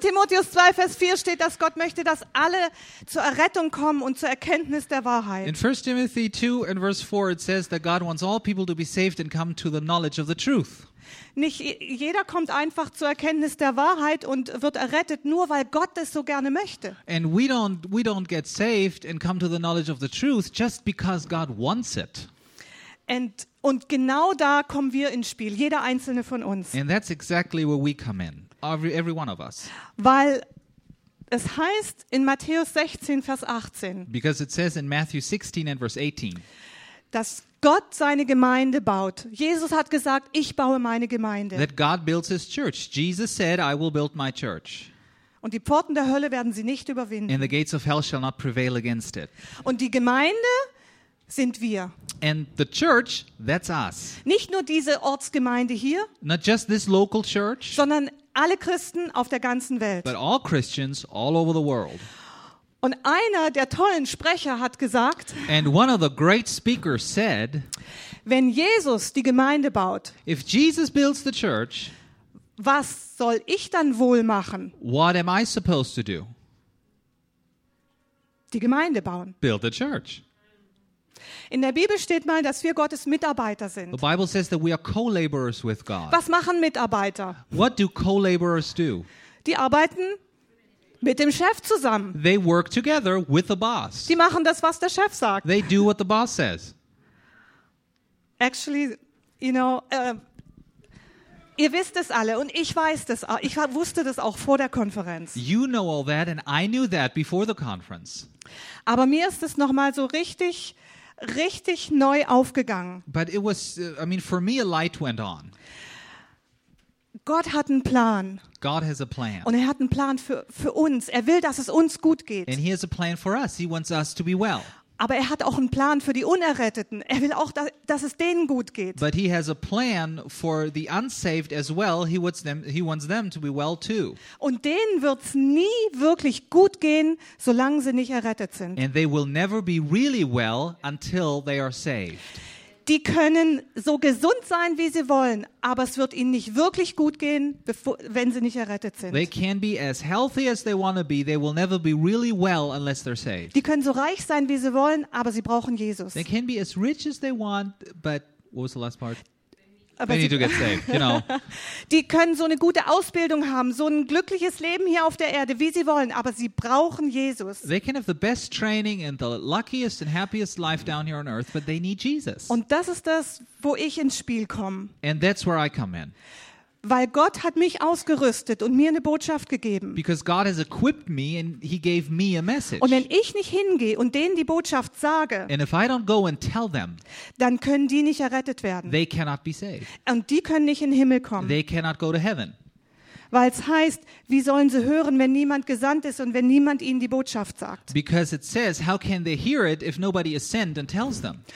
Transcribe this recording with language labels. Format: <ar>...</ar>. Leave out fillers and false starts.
<de>Timotheus 2, Vers 4 steht, dass Gott möchte, dass alle zur Errettung kommen und zur Erkenntnis der Wahrheit.</de> <en>In 1. Timothy 2, and verse 4, it says that God wants all people to be saved and come to the knowledge of the truth.</en> <de>Nicht jeder kommt einfach zur Erkenntnis der Wahrheit und wird errettet, nur weil Gott es so gerne möchte.</de> <en>And we don't get saved and come to the knowledge of the truth just because God wants it.</en> <de>Und genau da kommen wir ins Spiel, jeder einzelne von uns.</de> <en>And that's exactly where we come in, every one of us.</en> <de>Weil es heißt in Matthäus 16, Vers 18.</de> <en>Because it says in Matthew 16 and verse 18.</en> <de>Dass Gott seine Gemeinde baut. Jesus hat gesagt, ich baue meine Gemeinde.</de> <en>That God builds his church. Jesus said, I will build my church.</en> <de>Und die Pforten der Hölle werden sie nicht überwinden.</de> <en>And the gates of hell shall not prevail against it.</en> <de>Und die Gemeinde sind wir.</de> <en>And the church, that's us.</en> <de>Nicht nur diese Ortsgemeinde hier.</de> <en>Not just this local church.</en> <de>Sondern alle Christen auf der ganzen Welt.</de> <en>But all Christians all over the world.</en> <de>Und einer der tollen Sprecher hat gesagt,</de> <en>and one of the great speakers said,</en> <de>wenn Jesus die Gemeinde baut,</de> <en>if Jesus builds the church,</en> <de>was soll ich dann wohl machen?</de> <en>What am I supposed to do?</en> <de>Die Gemeinde bauen.</de> <en>Build the church.</en> <de>In der Bibel steht mal, dass wir Gottes Mitarbeiter sind.</de> <en>The Bible says that we are co-laborers with God.</en> <de>Was machen Mitarbeiter?</de> <en>What do co-laborers do?</en> <de>Die arbeiten mit dem Chef zusammen.</de> <en>They work together with the boss.</en> <de>Die machen das, was der Chef sagt.</de> <en>They do what the boss says. Actually, you know,</en> <de>ihr wisst es alle und ich weiß das. Ich wusste das auch vor der Konferenz.</de> <en>You know all that and I knew that before the conference.</en> <de>Aber mir ist es nochmal so richtig neu aufgegangen.</de> <en>But it was, I mean, for me a light went on.</en> <de>Gott hat einen Plan.</de> <en>God has a plan.</en> <de>Und er hat einen Plan für uns. Er will, dass es uns gut geht.</de> <en>And he has a plan for us. He wants us to be well.</en> <de>Aber er hat auch einen Plan für die Unerretteten. Er will auch, dass es denen gut geht.</de> <en>But he has a plan for the unsaved as well. He wants them to be well too.</en> <de>Und denen wird's nie wirklich gut gehen, solange sie nicht errettet sind.</de> <en>And they will never be really well until they are saved.</en> <de>Die können so gesund sein, wie sie wollen, aber es wird ihnen nicht wirklich gut gehen, wenn sie nicht errettet sind.</de> <en>They can be as healthy as they want to be, they will never be really well unless they're saved.</en> <de>Die können so reich sein, wie sie wollen, aber sie brauchen Jesus.</de> <en>They can be as rich as they want, but what was the last part? They need to get saved, you know.</en> <de>Die können so eine gute Ausbildung haben, so ein glückliches Leben hier auf der Erde, wie sie wollen, aber sie brauchen Jesus.</de> <en>They can have the best training and the luckiest and happiest life down here on earth, but they need Jesus.</en> <de>Und das ist das, wo ich ins Spiel komme.</de> <en>And that's where I come in.</en> <de>Weil Gott hat mich ausgerüstet und mir eine Botschaft gegeben.</de> <en>Because God has equipped me and he gave me a message.</en> <de>Und wenn ich nicht hingehe und denen die Botschaft sage,</de> <en>and if I don't go and tell them,</en> <de>dann können die nicht errettet werden.</de> <en>They cannot be saved.</en> <de>Und die können nicht in den Himmel kommen.</de> <en>They cannot go to heaven.</en> <de>Weil es heißt, wie sollen sie hören, wenn niemand gesandt ist und wenn niemand ihnen die Botschaft sagt?</de> <en>Because it says, how can they hear it if nobody is sent and tells them?</en>